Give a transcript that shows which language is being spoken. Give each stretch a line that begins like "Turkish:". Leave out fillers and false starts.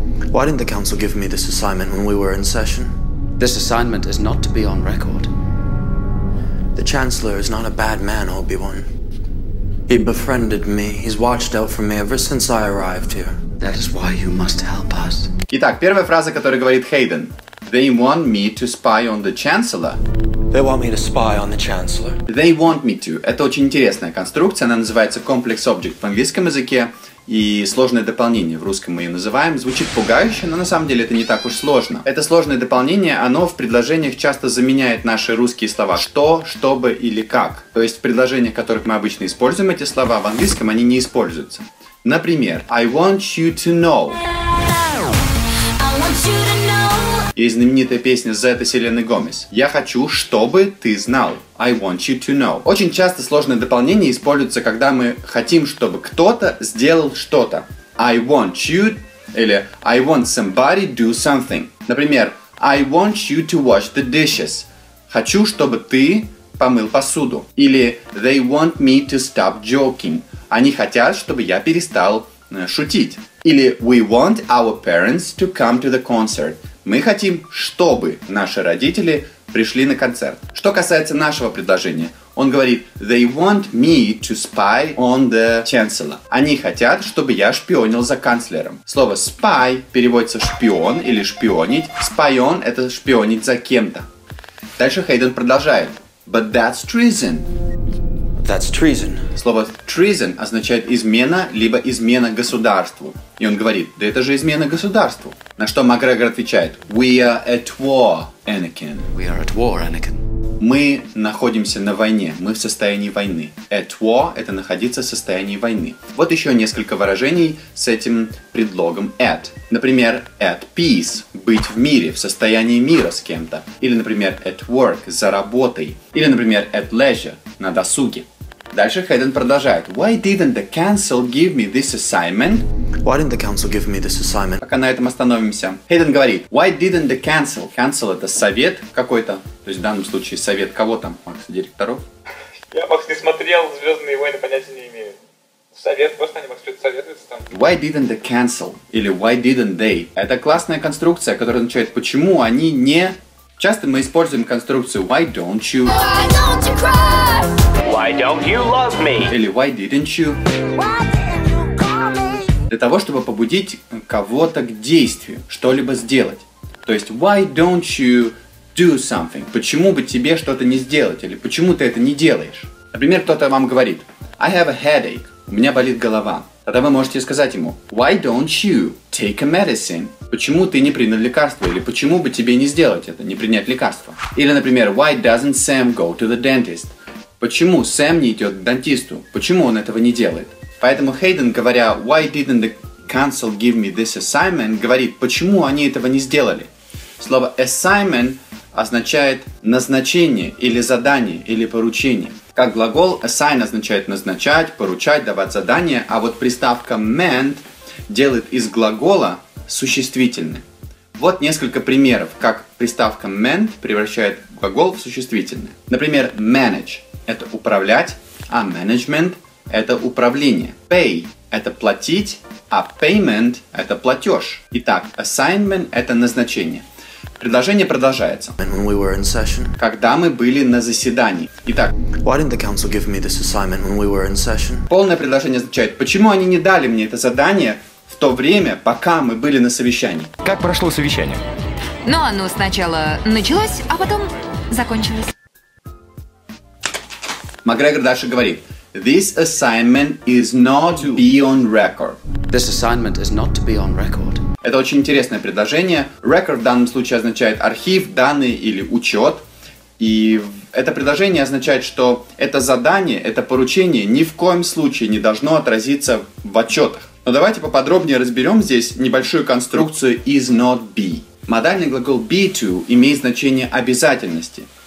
English: Why didn't the Council give me this assignment when we were in session? This assignment is not to be on record. The Chancellor is not a bad man, Obi-Wan. He befriended me. He's watched out for me ever since I arrived here. That is why you must help us.
Russian: Итак, первая фраза, которую говорит Хейден.
English: They want me to spy on the Chancellor. They want me to spy on the Chancellor. They want me to.
Russian: Это очень интересная конструкция. Она называется complex object в английском языке. И сложное дополнение в русском мы ее называем. Звучит пугающе, но на самом деле это не так уж сложно. Это сложное дополнение, оно в предложениях часто заменяет наши русские слова «что», «чтобы» или «как». То есть в предложениях, в которых мы обычно используем эти слова, в английском они не используются.
English: Например, I want you to know.
Russian: Есть знаменитая песня Зетты Селены Гомес. Я хочу, чтобы ты знал.
English: I want you to know.
Russian: Очень часто сложное дополнение используется, когда мы хотим, чтобы кто-то сделал что-то.
English: I want you или I want somebody do something. Например, I want you to wash the dishes.
Russian: Хочу, чтобы ты помыл посуду.
English: Или they want me to stop joking.
Russian: Они хотят, чтобы я перестал шутить.
English: Или we want our parents to come to the concert.
Russian: Мы хотим, чтобы наши родители пришли на концерт. Что касается нашего предложения, он говорит
English: «They want me to spy on the chancellor».
Russian: Они хотят, чтобы я шпионил за канцлером. Слово «spy» переводится «шпион» или «шпионить». «Spy on» — это «шпионить за кем-то». Дальше Хейден продолжает
English: «But that's treason». That's treason.
Russian: Слово treason означает измена, либо измена государству. И он говорит, да это же измена государству. На что Макгрегор отвечает,
English: We are at war, Anakin. We are at war, Anakin.
Russian: Мы находимся на войне, мы в состоянии войны. At war – это находиться в состоянии войны. Вот еще несколько выражений с этим предлогом at. Например, at peace – быть в мире, в состоянии мира с кем-то. Или, например, at work – за работой. Или, например, at leisure – на досуге. Дальше Хейден продолжает.
English: Why didn't the council give me this assignment? Why didn't the council give me this assignment?
Russian: Пока на этом остановимся. Хейден говорит.
English: Why didn't the council?
Russian: Council — это совет какой-то. То есть в данном случае совет кого там, Макс, директоров? Я, Макс, не смотрел «Звездные войны», понятия не имею. Совет, просто они, Макс, что-то советуются там.
English: Why didn't the council? Или why didn't they?
Russian: Это классная конструкция, которая означает, почему они не... Часто мы используем конструкцию why don't you?
English: Why don't you cry? Why don't you love me? Или why didn't you? Why didn't you call me?
Russian: Для того, чтобы побудить кого-то к действию, что-либо сделать.
English: То есть why don't you do something?
Russian: Почему бы тебе что-то не сделать? Или почему ты это не делаешь? Например, кто-то вам говорит
English: I have a headache.
Russian: У меня болит голова. Тогда вы можете сказать ему
English: Why don't you take a medicine?
Russian: Почему ты не принял лекарство? Или почему бы тебе не сделать это, не принять лекарство?
English: Или, например, Why doesn't Sam go to the dentist?
Russian: Почему Сэм не идет к дантисту? Почему он этого не делает? Поэтому Хейден, говоря
English: Why didn't the council give me this assignment?
Russian: Говорит, почему они этого не сделали? Слово assignment означает назначение или задание или поручение. Как глагол assign означает назначать, поручать, давать задание, а вот приставка meant делает из глагола существительное. Вот несколько примеров, как приставка meant превращает глагол в существительное. Например, manage – это управлять, а management – это управление. Pay – это платить, а payment – это платеж. Итак, assignment – это назначение. Предложение продолжается.
English: And when we were in session?
Russian: Когда мы были на заседании. Итак,
English: why didn't the council give me this assignment when we were in session?
Russian: Полное предложение означает, почему они не дали мне это задание в то время, пока мы были на совещании. Как прошло совещание? Ну, оно сначала началось, а потом закончилось. Макгрегор дальше говорит.
English: This assignment is not to be on record. This assignment is not to be on record.
Russian: Это очень интересное предложение. Record в данном случае означает архив, данные или учет. И это предложение означает, что это задание, это поручение ни в коем случае не должно отразиться в отчетах. Но давайте поподробнее разберем здесь небольшую конструкцию is not be. Модальный глагол be to имеет значение обязательности.